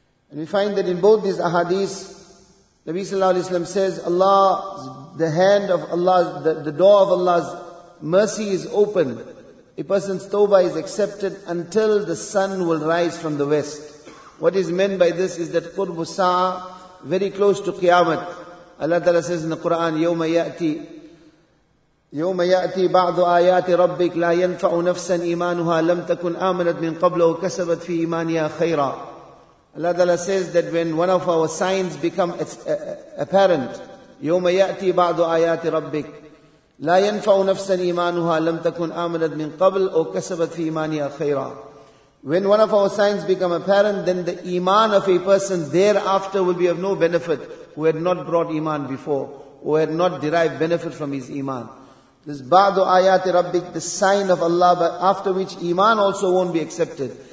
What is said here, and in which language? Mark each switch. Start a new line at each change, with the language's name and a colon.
English: And we find that in both these ahadiths, Nabi sallallahu alayhi wa sallam says, Allah, the hand of Allah, the door of Allah's mercy is open. A person's tawbah is accepted until the sun will rise from the west. What is meant by this is that
Arabic: قُرْبُ السَّاعَ,
English: very close to Qiyamah. Allah ta'ala says in the Quran,
Arabic: يَوْمَ يَأْتِي يوم يأتي بعض آيات ربك لا ينفع نفسا إيمانها لم تكن آمنت من قبل وكسبت في إيمانها خيرا.
English: Allah Ta'ala says that when one of our signs become apparent,
Arabic: يوم يأتي بعض آيات ربك لا ينفع نفسا إيمانها لم تكن آمنت من قبل وكسبت في إيمانها خيرا.
English: When one of our signs become apparent, then the iman of a person thereafter will be of no benefit who had not brought iman before, who had not derived benefit from his iman. This ba'du ayati rabbik, the sign of Allah, but after which iman also won't be accepted.